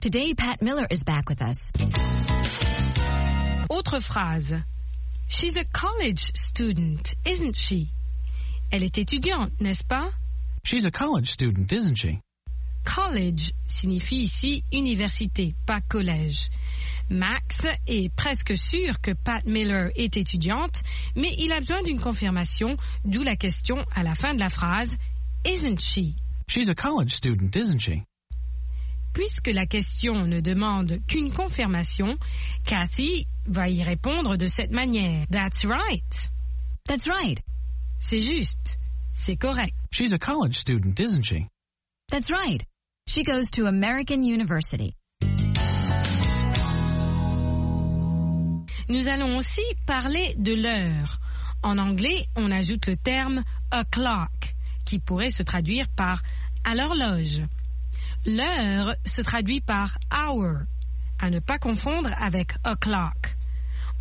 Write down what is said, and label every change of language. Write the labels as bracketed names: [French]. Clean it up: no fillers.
[English] Today, Pat Miller is back with us. » [French] Autre phrase. [English] « She's a college student, isn't she? » [French] Elle est étudiante, n'est-ce pas? [English] « She's a college student, isn't she? » [French] « College » signifie ici « université », pas « collège ». Max est presque sûr que Pat Miller est étudiante, mais il a besoin d'une confirmation, d'où la question à la fin de la phrase « [English] Isn't she? »« She's a college student, isn't she? » [French] Puisque la question ne demande qu'une confirmation, Kathy va y répondre de cette manière. [English] « That's right. »« That's right. » »« [French] C'est juste. C'est correct. »« [English] She's a college student, isn't she? » That's right. She goes to American University. [French] Nous allons aussi parler de l'heure. En anglais, on ajoute le terme « o'clock » qui pourrait se traduire par « à l'horloge ». L'heure se traduit par « hour » à ne pas confondre avec « o'clock ».